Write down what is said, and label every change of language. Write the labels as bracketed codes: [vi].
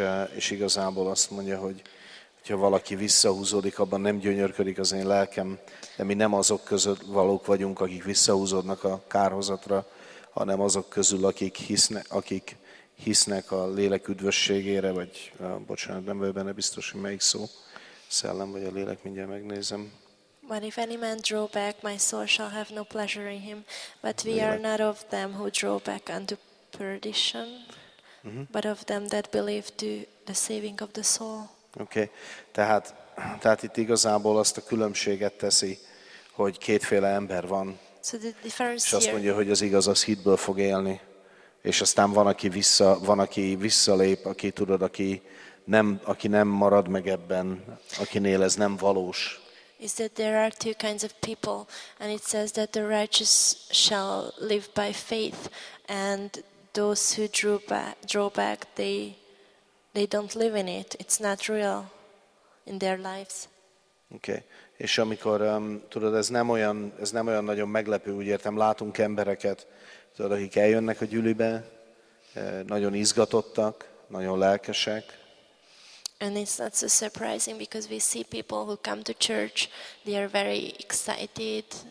[hu] És igazából azt mondja, hogy ha valaki visszahúzódik, abban nem gyönyörködik az én lelkem, de mi nem azok között valók vagyunk, akik visszahúzódnak a kárhozatra, hanem azok közül, akik hisznek a lélek üdvösségére, vagy bocsánat, nem vagyok benne biztos, hogy melyik szó, szellem vagy a lélek, mindjárt megnézem. [en] But if any man draw back, my soul shall have no pleasure in him, but we are not of them who draw back unto perdition, but of them that believe to the saving of the soul. Okay. [hu] Tehát itt igazából azt a különbséget teszi, hogy kétféle ember van. [en] So the difference [hu] és azt mondja, [en] here, [hu] hogy az igaz az hitből fog élni. És aztán van aki visszalép, aki tudod, aki nem marad meg ebben, akinél ez nem valós. [en] Is that there are two kinds of people, and it says that the righteous shall live by faith, and those who draw back, they don't live in it. It's not real in their lives. Okay. [hu] És amikor tudod, ez nem olyan nagyon meglepő, úgy értem, látunk embereket, tudod, akik eljönnek a gyűlibe, nagyon izgatottak, nagyon lelkesek. [en] And it's not so surprising because we see people who come to church, they are very excited.